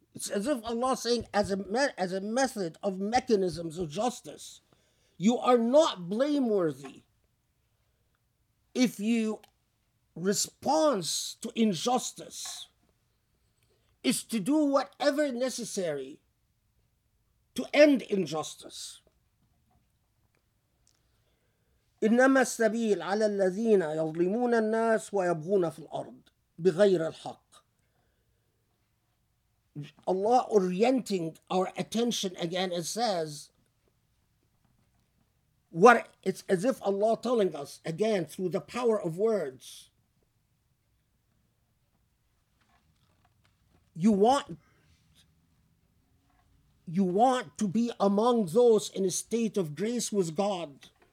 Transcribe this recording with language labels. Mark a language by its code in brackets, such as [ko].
[en] It's as if Allah is saying, as a method of mechanisms of justice, you are not blameworthy if you respond to injustice is to do whatever necessary to end injustice. [ar] إنما السبيل على الذين يظلمون الناس ويبغون في الأرض بغير الحق. [en] Allah orienting our attention again, it says, what it's as if Allah telling us again through the power of words, you want to be among those in a state of grace with God.